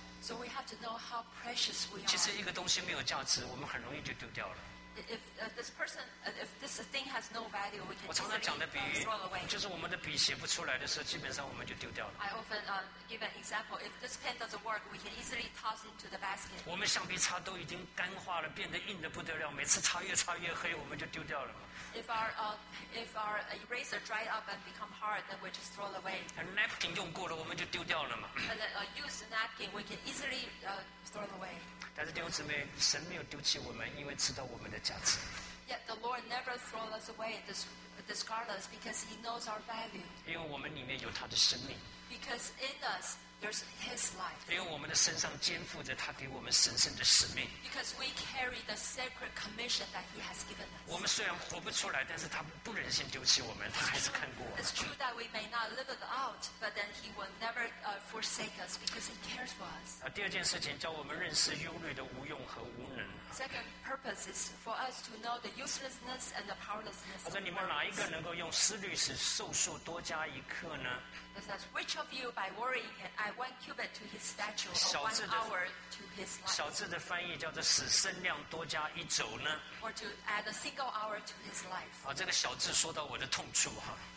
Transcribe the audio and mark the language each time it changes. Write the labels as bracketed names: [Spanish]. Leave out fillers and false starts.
[English] So we have to know how precious we are. [Chinese] 其实一个东西没有价值，我们很容易就丢掉了。 [English] If this person, if this thing has no value, we can [Chinese] 我常常讲的比喻 [English] throw away. [Chinese] 就是我们的笔写不出来的时候，基本上我们就丢掉了。 [English] I often give an example. If this pen doesn't work, we can easily toss into the basket. [Chinese] 我们橡皮擦都已经干化了，变得硬得不得了，每次擦越擦越黑，我们就丢掉了。 [English] If our eraser dried up and become hard, then we just throw it away. A napkin [Chinese] 用过了，我们就丢掉了嘛。 [English] And then a used napkin, we can easily throw it away. [Chinese] 但是弟兄姊妹，神没有丢弃我们，因为知道我们的价值。 [English] Yet the Lord never throws us away, discard us, because He knows our value. [Chinese] 因为我们里面有他的生命。 [English] Because in us there's His life. [Chinese] 因为我们的身上肩负着他给我们神圣的使命。 [English] Because we carry the sacred commission that He has given us. [Chinese] 我们虽然活不出来，但是他不忍心丢弃我们，他还是看过我们。 [English] It's true that we may not live it out, but then He will never forsake us because He cares for us. [Chinese] 第二件事情叫我们认识忧虑的无用和无能。 [English] Second purpose is for us to know the uselessness and the powerlessness. [Chinese] 我说你们哪一个能够用思虑使寿数多加一刻呢？ [English] It says, which of you by worrying can add one cubit to his stature or one hour to his life? [Chinese] 小字的翻译叫做使身量多加一肘呢 [English] Or to add a single hour to his life? [Chinese] 啊，这个小字说到我的痛处哈。